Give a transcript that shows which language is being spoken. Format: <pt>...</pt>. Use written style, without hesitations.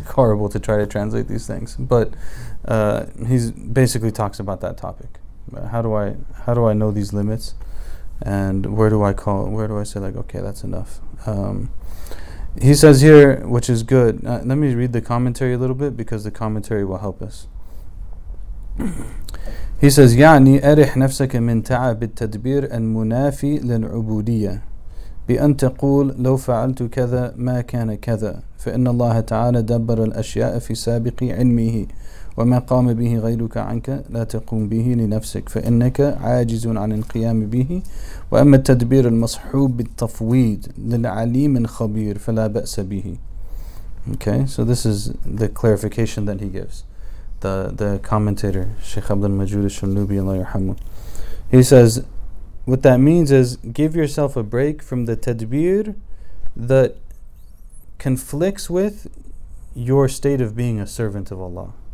<en>It's like horrible to try to translate these things, but he's basically talks about that topic. How do I know these limits, and where do I say like, okay, that's enough. He says here, which is good, let me read the commentary a little bit because the commentary will help us. He says,</en> <ar>يعني أرح نفسك من تعب التدبير المنافي للعبودية بأن تقول لو فعلت كذا ما كان كذا فإن الله تعالى دبر الأشياء في سابق علمه وما قام به غيرك عنك لا تقوم به لنفسك فإنك عاجز عن القيام به وأما التدبير المصحوب بالتفويض للعليم الخبير فلا بأس به.</ar> <en>Okay, so this is the clarification that he gives. The commentator, Shaykh Abdul Majud al-Shunubi, Allah yarhamu, he says, what that means is, give yourself a break from the tadbir that conflicts with your state of being a servant of Allah.</en>